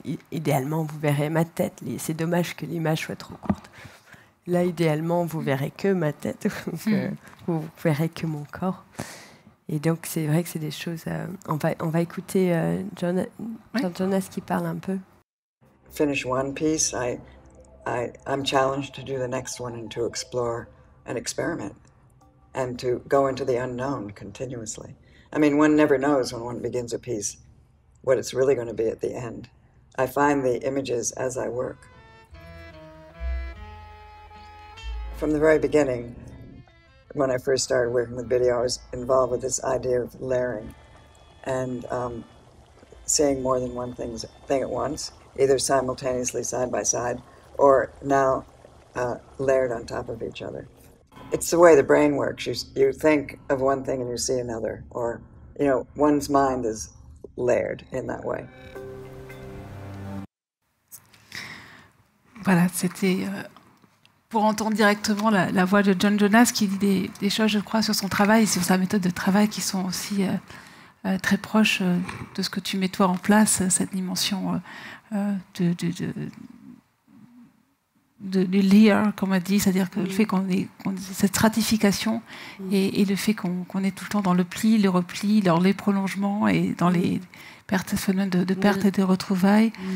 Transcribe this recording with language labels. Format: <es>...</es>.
<fr>Idéalement, vous verrez ma tête. C'est dommage que l'image soit trop courte. Là, idéalement, vous verrez que ma tête. Vous verrez que mon corps. Et donc, c'est vrai que c'est des choses. On va écouter Jonas qui parle un peu.</fr> <en>Finish one piece. I I'm challenged to do the next one and to explore and experiment and to go into the unknown continuously. I mean, one never knows when one begins a piece what it's really going to be at the end. I find the images as I work. From the very beginning, when I first started working with Biddy, I was involved with this idea of layering and seeing more than one thing at once, either simultaneously side by side, or now layered on top of each other. It's the way the brain works. You think of one thing and you see another, or, you know, one's mind is layered in that way.</en> <fr>Voilà, c'était pour entendre directement la voix de John Jonas qui dit des choses, je crois, sur son travail et sur sa méthode de travail qui sont aussi très proches de ce que tu mets toi en place, cette dimension de lire, comme on dit, c'est-à-dire que le fait qu'on ait cette stratification et le fait qu'on est tout le temps dans le pli, le repli, dans les prolongements et dans les phénomènes de perte et de retrouvailles.</fr>